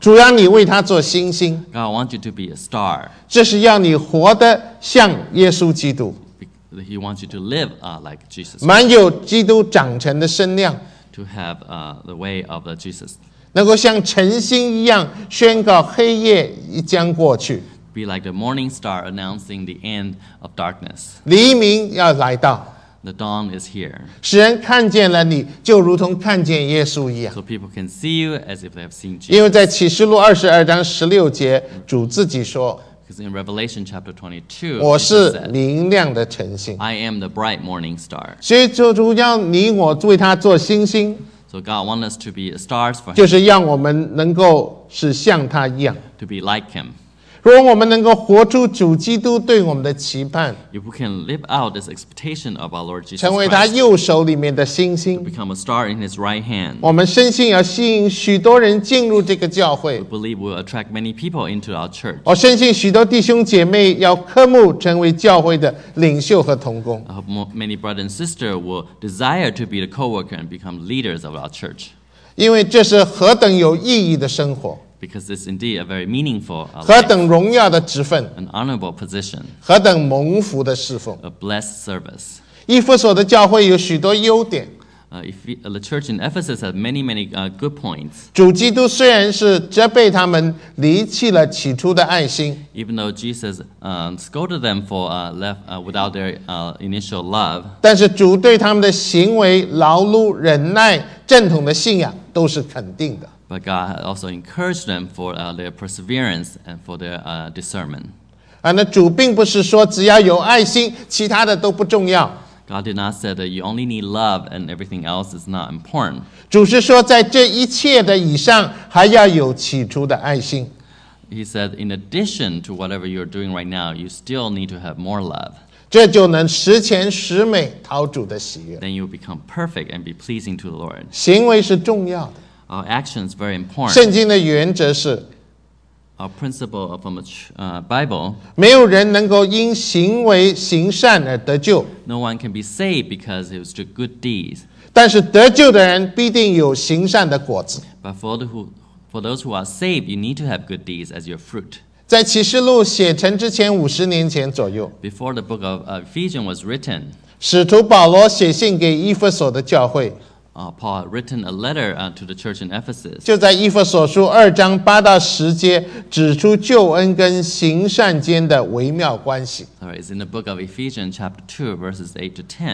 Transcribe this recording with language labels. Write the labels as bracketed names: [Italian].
[Chinese] 主要你为他做星星。 [English] God wants you to be a star. [Chinese] 这是要你活得像耶稣基督。 [English] He wants you to live like Jesus. [Chinese] 满有基督长成的身量。 [English] To have the way of Jesus. [Chinese] 能够像晨星一样宣告黑夜将过去。 [English] Be like the morning star announcing the end of darkness. [Chinese] 黎明要来到。 [English] The dawn is here. [Chinese] 使人看见了你就如同看见耶稣一样。 [English] So people can see you as if they have seen Jesus. [Chinese] 因为在启示录二十二章十六节主自己说。 [English] Because in Revelation chapter 22, [Chinese] 我是明亮的晨星。 [English] I am the bright morning star. [Chinese] 所以就主要你我为他做星星。 [English] So God wants us to be stars for him. [Chinese] 就是让我们能够是像他一样。 [English] To be like him. [Chinese] 如果我们能够活出主基督对我们的期盼。 [English] If we can live out this expectation of our Lord Jesus Christ. [Chinese] 成为他右手里面的星星。 [English] To become a star in his right hand. [Chinese] 我们深信要吸引许多人进入这个教会。 [English] We believe we'll attract many people into our church. [Chinese] 我深信许多弟兄姐妹要渴慕成为教会的领袖和同工。 [English] I hope many brothers and sisters will desire to be the co-worker and become leaders of our church. [Chinese] 因为这是何等有意义的生活。 [English] Because it's indeed a very meaningful life. [Chinese] 何等荣耀的职分。 [English] An honorable position. [Chinese] 何等蒙福的侍奉。 [English] A blessed service. [Chinese] 以弗所的教会有许多优点。 [English] The church in Ephesus has many, many good points. [Chinese] 主基督虽然是责备他们离弃了起初的爱心。 [English] Even though Jesus scolded them for without their initial love. [Chinese] 但是主对他们的行为、劳碌、忍耐、正统的信仰都是肯定的。 [English] But God had also encouraged them for their perseverance and for their discernment. [Chinese] 那主并不是说只要有爱心，其他的都不重要。 [English] God did not say that you only need love and everything else is not important. [Chinese] 主是说在这一切的以上还要有起初的爱心。 [English] He said, in addition to whatever you're doing right now, you still need to have more love. [Chinese] 这就能十全十美讨主的喜悦。 [English] Then you'll become perfect and be pleasing to the Lord. [Chinese] 行为是重要的。 [English] Our action is very important. [Chinese] 圣经的原则是 [English] Our principle of a Bible. [Chinese] 没有人能够因行为行善而得救。 [English] No one can be saved because it was just good deeds. [Chinese] 但是得救的人必定有行善的果子。 [English] But for those who are saved, you need to have good deeds as your fruit. [Chinese] 在启示录写成之前五十年前左右 [English] Before the book of Ephesians was written, [Chinese] 使徒保罗写信给以弗所的教会 [English] Paul had written a letter to the church in Ephesus. [Chinese] 就在以弗所书二章八到十节指出救恩跟行善间的微妙关系 [English] Sorry, it's in the book of Ephesians chapter 2, verses 8 to 10.